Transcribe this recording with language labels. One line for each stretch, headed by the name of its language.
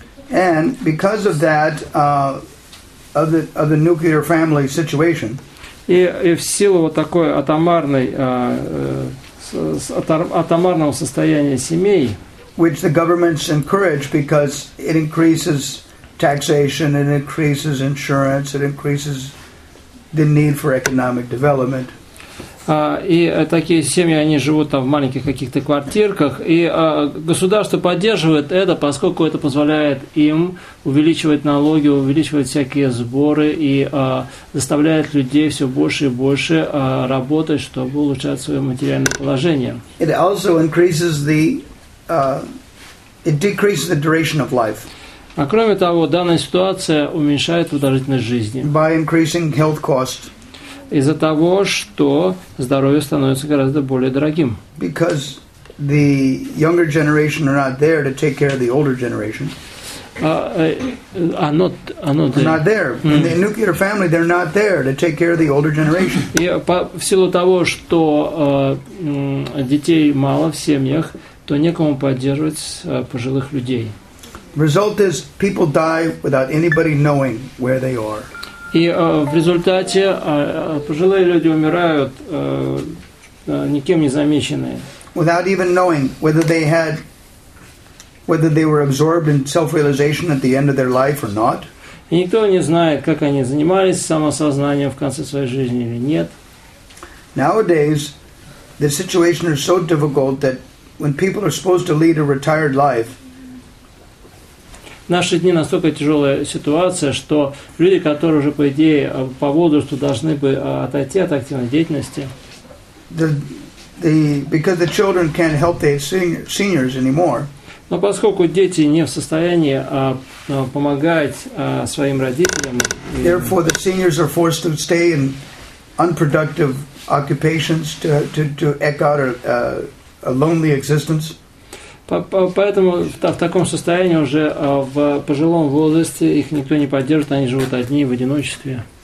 English: And because of that, of the nuclear family situation.
Russian: И в силу вот такой атомарного состояния семей,
English: which the governments encourage because it increases taxation, it increases insurance, it increases the need for economic development.
Russian: И такие семьи, они живут там в маленьких каких-то квартирках, и государство поддерживает это, поскольку это позволяет им увеличивать налоги, увеличивать всякие сборы и заставляет людей все больше и больше работать, чтобы улучшать свое материальное положение.
English: It also increases it decreases the duration of life.
Russian: А кроме того, данная ситуация уменьшает продолжительность жизни.
English: By increasing health costs.
Russian: Из-за того, что здоровье становится гораздо более дорогим.
English: Because the younger generation are not there to take care of the older generation. Not there. In the nuclear family, they're not there to take care of the older generation.
Russian: И в силу того, что детей мало в семьях, то некому поддерживать пожилых людей.
English: Result is people die without anybody knowing where they are.
Russian: И в результате пожилые люди умирают, никем не замеченные.
English: Without even knowing whether they were absorbed in self-realization at the end of their life or not.
Russian: И никто не знает, как они занимались самосознанием в конце своей жизни или нет.
English: Nowadays, the situation is so difficult that when people are supposed to lead a retired life,
Russian: в наши дни настолько тяжелая ситуация, что люди, которые уже, по идее, по возрасту должны бы отойти от активной деятельности,
English: because the children can't help the seniors anymore.
Russian: Но поскольку дети не в состоянии помогать своим родителям,
English: therefore the seniors are forced to stay in unproductive occupations to eke out a lonely existence.
Russian: Поэтому в таком состоянии уже в пожилом возрасте их никто не поддержит, они живут одни в одиночестве.